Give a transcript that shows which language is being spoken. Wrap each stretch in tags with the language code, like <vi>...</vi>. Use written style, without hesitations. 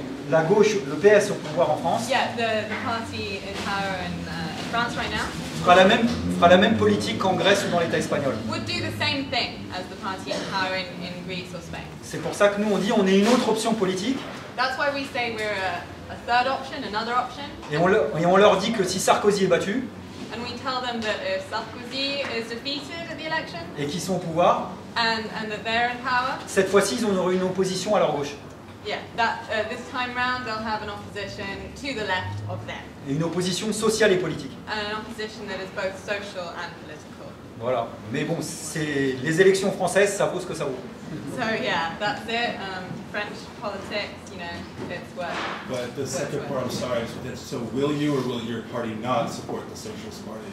<fr>La gauche, le PS au pouvoir en France.</fr> <en>Yeah, the party in power in France right now.</en> <fr>Fera la même politique qu'en Grèce ou dans l'État espagnol.</fr> <en>Would do the same thing as the party in power in Greece or Spain.</en> <fr>C'est pour ça que nous on dit on est une autre option politique.</fr> <en>That's why we say we're a third option, another option.</en> <fr>Et on leur dit que si Sarkozy est battu.</fr> <en>And we tell them that if Sarkozy is defeated at the election.</en> <fr>Et qu'ils sont au pouvoir.</fr> <en>And that they're in power.</en> <fr>Cette fois-ci, ils auront une opposition à leur gauche.</fr> <en>Yeah, that this time round they'll have an opposition to the left of them.</en> <fr>Une opposition sociale et politique.</fr> <en>An opposition that is both social and political.</en> <fr>Voilà, mais bon, c'est les élections françaises, ça vaut ce que ça vaut.</fr> <en>So yeah, that's it. French politics, you know, it's worth. But the second part, I'm sorry, is that so will you or will your party not support the Socialist Party?</en>